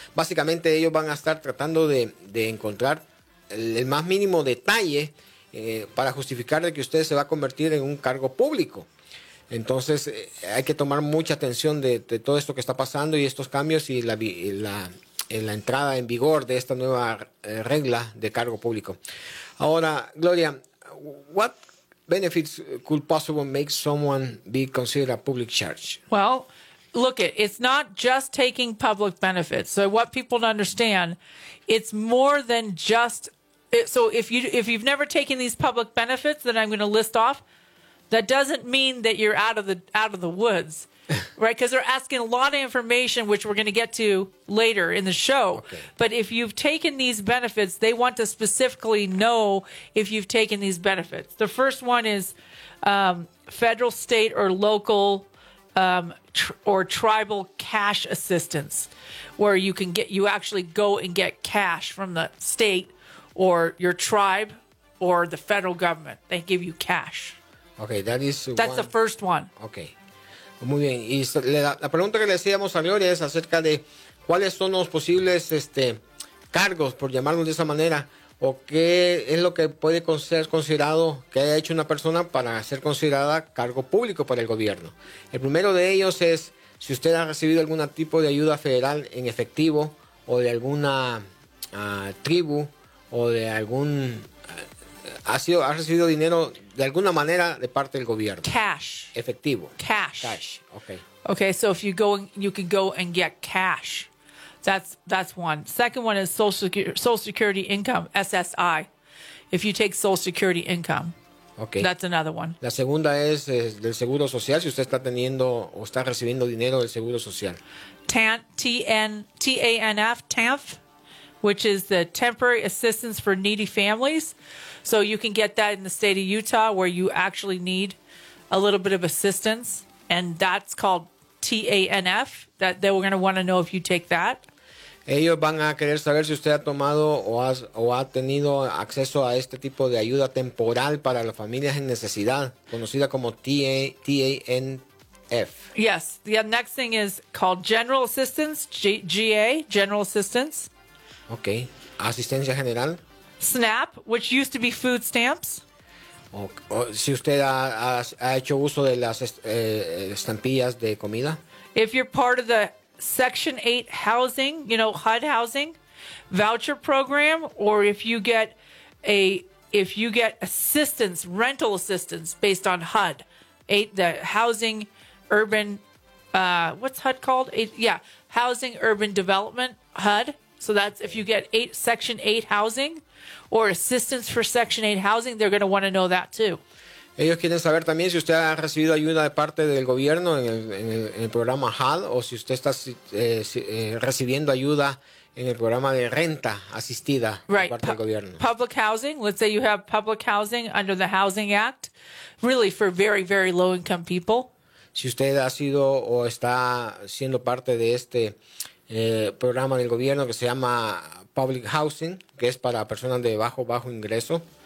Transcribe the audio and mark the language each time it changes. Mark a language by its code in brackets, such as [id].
[es] Básicamente ellos van a estar tratando de encontrar el más mínimo detalle para justificar de que usted se va a convertir en un cargo público. Entonces, hay que tomar mucha atención de todo esto que está pasando y estos cambios y la entrada en vigor de esta nueva regla de cargo público. Ahora, [en] Gloria, what benefits could possibly make someone be considered a public charge? Well, look, it's not just taking public benefits. So what people don't understand, it's more than just... So if you've never taken these public benefits that I'm going to list off, that doesn't mean that you're out of the woods, right? Because they're asking a lot of information, which we're going to get to later in the show. Okay. But if you've taken these benefits, they want to specifically know if you've taken these benefits. The first one is federal, state, or local or tribal cash assistance, where you actually go and get cash from the state or your tribe or the federal government. They give you cash. Okay, that is That's the first one. [es] Okay. Muy bien. Y la pregunta que le hacíamos a Gloria es acerca de cuáles son los posibles cargos, por llamarlos de esa manera, o qué es lo que puede ser considerado que haya hecho una persona para ser considerada cargo público para el gobierno. El primero de ellos es si usted ha recibido algún tipo de ayuda federal en efectivo o de alguna tribu o de algún... ha recibido dinero de alguna manera de parte del gobierno. [en] Cash. [es] Efectivo. [en] Cash. Okay. Okay, so if you go and you can go and get cash. That's one. Second one is Social Security income, SSI. If you take Social Security income. Okay. That's another one. [es] La segunda es del seguro social, si usted está teniendo o está recibiendo dinero del seguro social. [en] TANF, which is the Temporary Assistance for Needy Families. So you can get that in the state of Utah where you actually need a little bit of assistance. And that's called TANF, that they were going to want to know if you take that. [es] Ellos van a querer saber si usted ha tomado o ha tenido acceso a este tipo de ayuda temporal para las familias en necesidad, conocida como TANF. [en] Yes. The next thing is called General Assistance, GA, General Assistance. [es] Okay. Asistencia General. [en] SNAP, which used to be food stamps. [es] Si usted ha hecho uso de las estampillas de comida. [en] If you're part of the Section 8 housing, you know, HUD housing voucher program, or if you get assistance, rental assistance based on HUD, the housing urban, what's HUD called? Housing urban development, HUD. So that's if you get Section 8 housing or assistance for Section 8 housing, they're going to want to know that too. [es] Ellos quieren saber también si usted ha recibido ayuda de parte del gobierno en el programa HUD o si usted está recibiendo ayuda en el programa de renta asistida [en] right. [es] de parte del gobierno. [en] Public housing. Let's say you have public housing under the Housing Act, really for very, very low income people. [es] Si usted ha sido o está siendo parte de este programa del gobierno que se llama Public Housing, que es para personas de bajo ingreso.